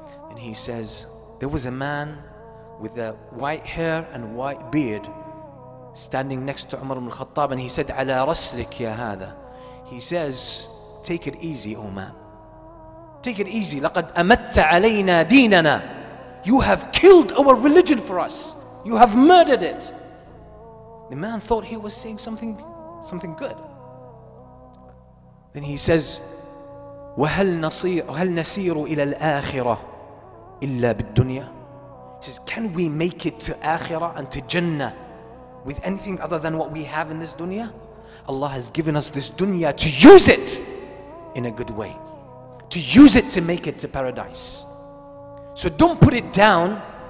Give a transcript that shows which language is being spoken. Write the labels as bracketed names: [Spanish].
[English] And he says, there was a man with a white hair and white beard standing next to Umar ibn al-Khattab, and he said, [Arabic] "Ala raslik ya hada." [English] He says, take it easy, O man. Take it easy. [Arabic] لَقَدْ أَمَتَّ عَلَيْنَا دِينَنَا. [English] You have killed our religion for us. You have murdered it. The man thought he was saying something good. Then he says, [Arabic] وَهَلْ نَصِيرُ إِلَى الْآخِرَةِ إِلَّا بِالدُّنْيَا. [English] He says, can we make it to Akhirah and to Jannah with anything other than what we have in this dunya? Allah has given us this dunya to use it in a good way. To use it to make it to paradise. So don't put it down.